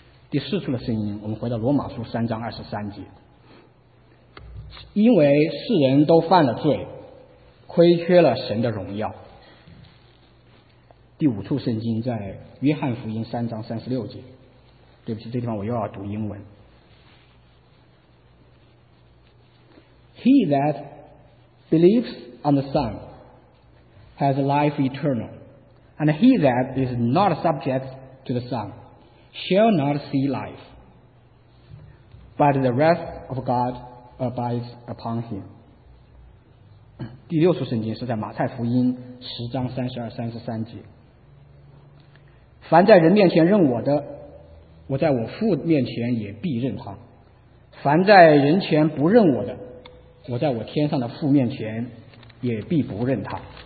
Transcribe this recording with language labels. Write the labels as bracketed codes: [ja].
[zh] 第四处的声音，我们回到罗马书三章二十三节。因为世人都犯了罪，亏缺了神的荣耀。第五处圣经在约翰福音三章三十六节。对不起，这地方我又要读英文。 [en] He that believes on the Son has life eternal, and he that is not subject to the Son shall not see life, but the wrath of God abides upon him. [zh] 第六处圣经是在马太福音十章三十二、三十三节。凡在人面前认我的，我在我父面前也必认他；凡在人前不认我的，我在我天上的父面前也必不认他。